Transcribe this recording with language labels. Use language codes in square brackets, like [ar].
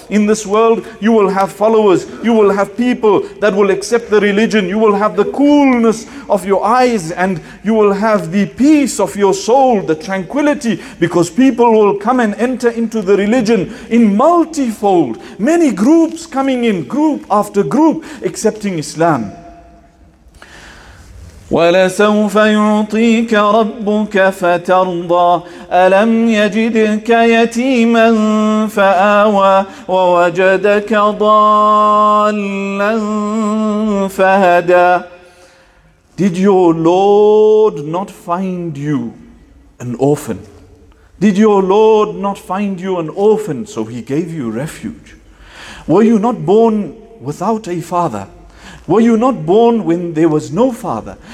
[en] In this world, you will have followers, you will have people that will accept the religion, you will have the coolness of your eyes, and you will have the peace of your soul, the tranquility, because people will come and enter into the religion in multifold, many groups coming in, group after group, accepting Islam. [ar] ولسوف يعطيك ربك فترضى ألم يجدك يتيما فآوى ووجدك ضالا فهدى. [en] Did your Lord not find you an orphan? Did your Lord not find you an orphan? So he gave you refuge. Were you not born without a father? Were you not born when there was no father?